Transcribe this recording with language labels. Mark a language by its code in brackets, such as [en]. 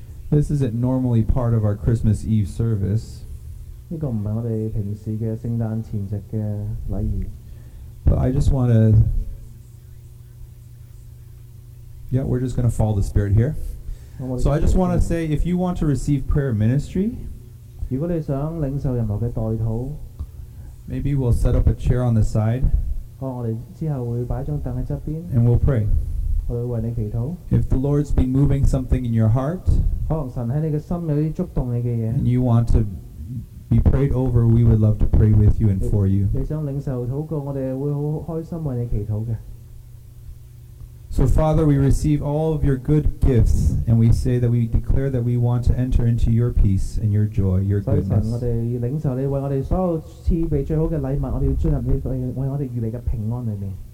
[en] This isn't normally part of our Christmas Eve service. [zh] 这个不是我们平时的圣诞前夕的礼仪。 [en] But I just want to... Yeah, we're just going to follow the Spirit here. So I just want to say, if you want to receive prayer ministry, [zh] 如果你想领受任何的代祷, [en] maybe we'll set up a chair on the side, [zh] 我们之后会摆一张凳在旁边, [en] and we'll pray. [zh] 我会为你祈祷。 [en] If the Lord's been moving something in your heart, [zh] 可能神在你的心有些触动你的东西。 [en] And you want to be prayed over, we would love to pray with you and for you. [zh] 你想领受祷告，我们会很开心为你祈祷的。 [en] So Father, we receive all of your good gifts, and we say that we declare that we want to enter into your peace and your joy, your goodness. [zh] 所以神，我们要领受你为我们所有赐备最好的礼物，我们要进入你为我们预备的平安里面。